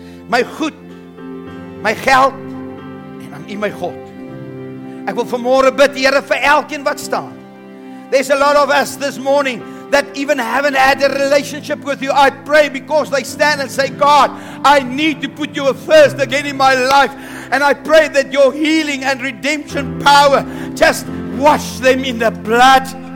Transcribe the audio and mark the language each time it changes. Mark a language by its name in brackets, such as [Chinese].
[Afrikaans] My goed, my geld en aan U my God. Ek wil vanmôre bid, Here, vir elkeen wat staan. [English] There's a lot of us this morning that even haven't had a relationship with You. I pray because they stand and say, God, I need to put You first again in my life. And I pray that Your healing and redemption power, just wash them in the blood.